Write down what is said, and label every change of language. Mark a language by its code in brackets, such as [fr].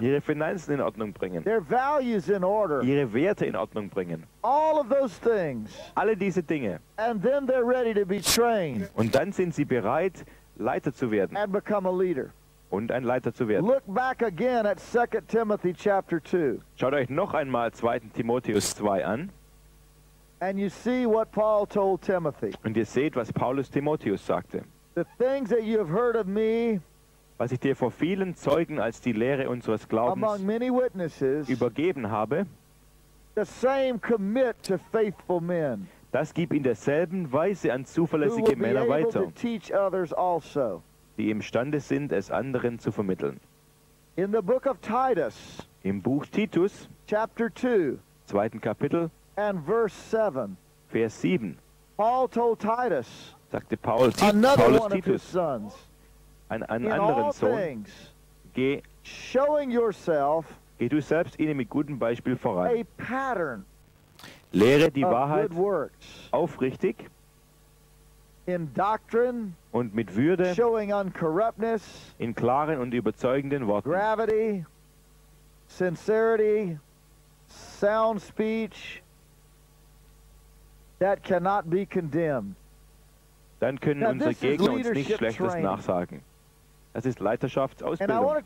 [de] ihre Finanzen in Ordnung bringen, [en] their values in order, [de] ihre Werte in Ordnung bringen. [en] All of those things, [de] alle diese Dinge. [en] And then they're ready to be trained. [de] Und dann sind sie bereit, Leiter zu werden [en] and become a leader. [de] Und ein Leiter zu werden. [en] Look back again at 2 Timothy chapter 2. [de] Schaut euch noch einmal 2. Timotheus 2 an. [en] And you see what Paul told Timothy. [de] Und ihr seht, was Paulus Timotheus sagte. [en] The things that you have heard of me, [de] was ich dir vor vielen Zeugen als die Lehre unseres Glaubens [en] among many witnesses, [de] übergeben habe, [en] the same commit to faithful men, [de] das gib in derselben Weise an zuverlässige Männer weiter, [en] to teach others also, [de] die imstande sind, es anderen zu vermitteln. [en] In the book of Titus, [de] im Buch Titus, [en] chapter 2, [de] zweiten Kapitel, [en] and verse 7, [de] Vers 7, [en] Paul told Titus, [de] sagte Paul, Titus, einen anderen Sohn, geh du selbst ihnen mit gutem Beispiel voran. Lehre die Wahrheit aufrichtig [en] in Doctrine, [de] und mit Würde, [en] showing uncorruptness, [de] in klaren und überzeugenden Worten, [en] gravity, sincerity, sound speech, that cannot be condemned. [de] Dann können [en] now, [de] unsere Gegner uns nicht Schlechtes [en] training. [de] Nachsagen. Das ist Leiterschaftsausbildung.